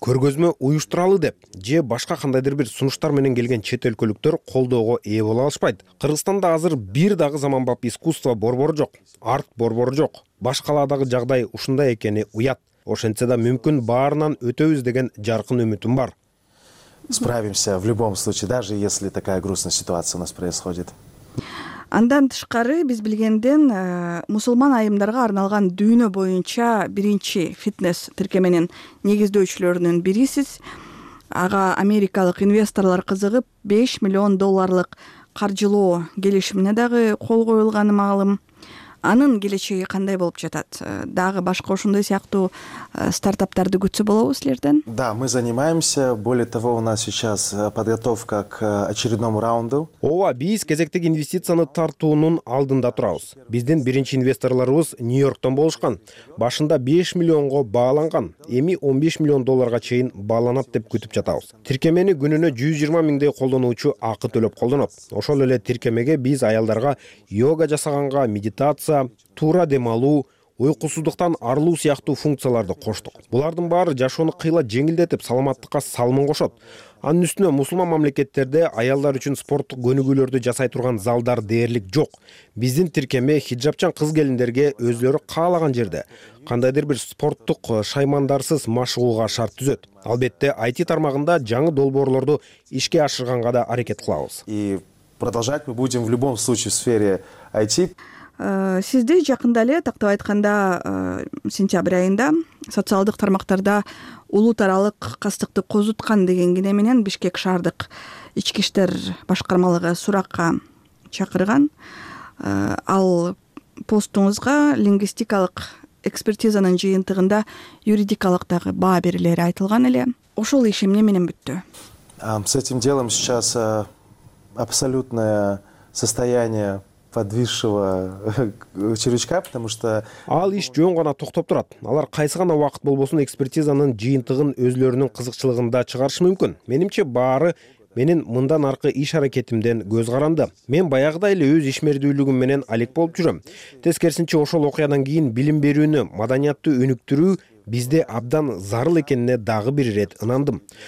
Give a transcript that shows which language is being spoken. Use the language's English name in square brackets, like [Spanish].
[Kyrgyz] Көргөзмө уюштуралы деп же башка кандайдыр бир сунуштар менен келген чет өлкөлүктөр колдоого ээ боло алышпайт. Кыргызстанда азыр бир дагы заманбап искусство борбору жок, арт борбору жок. Башкалаадагы жагдай ушундай экени уят. Ошентсе да мүмкүн баарынан өтөбүз деген жаркын үмүтүм бар. [Russian] Справимся в любом случае, даже если такая грустная ситуация у нас происходит. [Kyrgyz] Андан тышкары биз билгенден мусулман айымдарга арналган дүйнө боюнча биринчи фитнес тиркеменин негиздөөчүлөрүнүн бирисиз. Ага америкалык инвесторлор кызыгып 5 миллион долларлык каржылоо келишимине дагы кол коюлганы маалым. анын келечеги кандай болуп жатат? Дагы башка ушундай сыяктуу стартаптарды күтсө болобу силерден? [Russian] Да, мы занимаемся. Более того, у нас сейчас подготовка к очередному раунду. [Kyrgyz] Ооба, биз кезектеги инвестицияны тартуунун алдында турабыз. Биздин биринчи инвесторлорубуз Нью-Йорктон болушкан. Башында 5 миллионго бааланган. Эми 15 миллион долларга чейин бааланат деп күтүп жатабыз. Тиркемени күнүнө 120 миңдей колдонуучу акы төлөп колдонот. Ошол эле тиркемеге биз аялдарга йога жасаганга, медитация, туура дем алуу, уйкусуздуктан арылуу сыяктуу функцияларды коштук. Булардын баары жашоону кыйла жеңилдетип, саламаттыкка салмын кошот. Анын үстүнө мусулман мамлекеттерде аялдар үчүн спорттук көнүгүүлөрдү жасай турган залдар дээрлик жок. Биздин тиркеме хиджапчан кыз келиндерге өзлөрү каалаган жерде кандайдыр бир спорттук шаймандарсыз машыгууга шарт түзөт. Албетте, IT тармагында жаңы долбоорлорду ишке ашырганга да аракет кылабыз. [Russian] И продолжать мы будем в любом случае в сфере IT. [Kyrgyz] Сизди жакында эле, тактап айтканда, сентябрь айында социалдык тармактарда улут аралык кастыкты козуткан деген кине менен Бишкек шаардык ички иштер башкармалыгы суракка чакырган. Ал постуңузга лингвистикалык экспертизанын жыйынтыгында юридикалык дагы баа берилери айтылган эле. Ошол иш эмне менен бүттү? [Russian] С этим делом сейчас абсолютное состояние подвисшего червячка, потому что [Kyrgyz] ал иш жөн гана токтоп турат. Алар кайсы гана убакыт болбосун экспертизанын жыйынтыгын өзлөрүнүн кызыкчылыгында чыгарышы мүмкүн. Менимче баары менин мындан аркы иш аракетимден көз каранды. Мен баягыдай эле өз ишмердүүлүгүм менен алек болуп жүрөм. Тескерисинче ошол окуядан кийин билим берүүнү, маданиятты өнүктүрүү бизде абдан зарыл экенине дагы бир ирет ынандым.